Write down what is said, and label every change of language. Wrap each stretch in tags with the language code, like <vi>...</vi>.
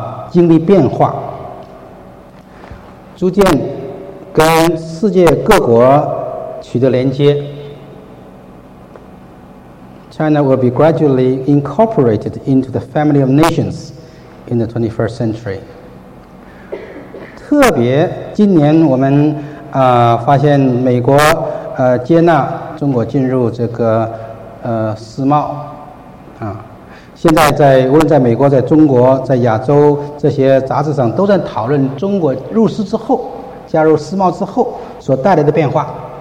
<zh>经历变化，逐渐跟世界各国取得连接。</zh> <en>China will be gradually incorporated into the family of nations in the 21st century.</en> <zh>特别今年我们发现美国接纳中国进入这个世贸啊，现在在无论在美国、在中国、在亚洲这些杂志上都在讨论中国入世之后、加入世贸之后所带来的变化。</zh>